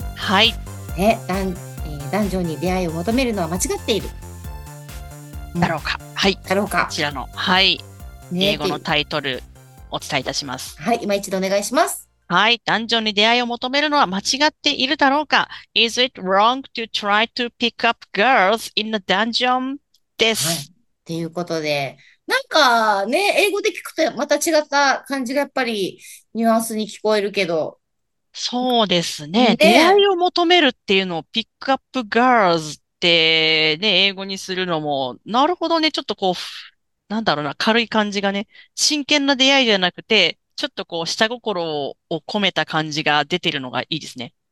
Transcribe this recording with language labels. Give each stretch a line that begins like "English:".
Japanese: はい、男女に出会いを求めるのは間違っている、うん、だろうか、はい、だろうか、こちらの、はい、英語のタイトルお伝えいたします。はい、今一度お願いします。はい、男女に出会いを求めるのは間違っているだろうか。
English: Is it wrong to try to pick up girls in the dungeon?
Japanese: です、はい、ということで、なんかね、英語で聞くとまた違った感じがやっぱりニュアンスに聞こえるけど、そうですね、出会いを求めるっていうのをピックアップガールズってね、英語にするのもなるほどね。ちょっとこう、なんだろうな、軽い感じがね、真剣な出会いじゃなくてちょっとこう下心を込めた感じが出てるのがいいですね。